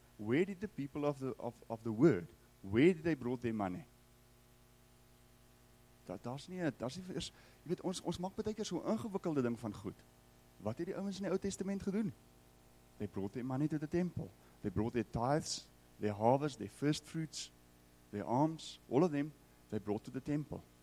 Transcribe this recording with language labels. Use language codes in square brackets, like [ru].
[en] Where did the people of the word, where did they brought their money? [af] Ons maak baie keer so 'n ingewikkelde ding van goed. Wat het die ouens in die Ou Testament gedoen? [en] They brought their money to the temple. They brought their tithes, their harvest, their first fruits, their alms, all of them, they brought to the temple.